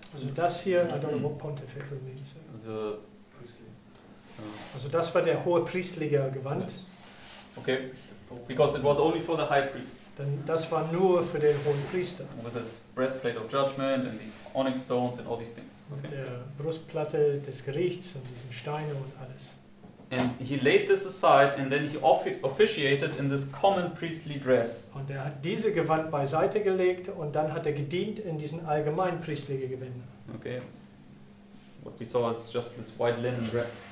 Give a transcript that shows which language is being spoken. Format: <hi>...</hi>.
<de>Also das hier,</de> <en>I don't know what pontifical means. The</en> <de>Also das war der hohe priesterliche Gewand. Yes.</de> <en>Okay, because it was only for the high priest.</en> <de>Dann das war nur für den hohen Priester.</de> <en>With this breastplate of judgment and these onyx stones and all these things. Okay.</en> <de>Mit der Brustplatte des Gerichts und diesen Steinen und alles.</de> <en>And he laid this aside and then he officiated in this common priestly dress.</en> <de>Und er hat diese Gewand beiseite gelegt und dann hat er gedient in diesen allgemein priesterlichen Gewändern.</de> <en>Okay, what we saw is just this white linen dress.</en>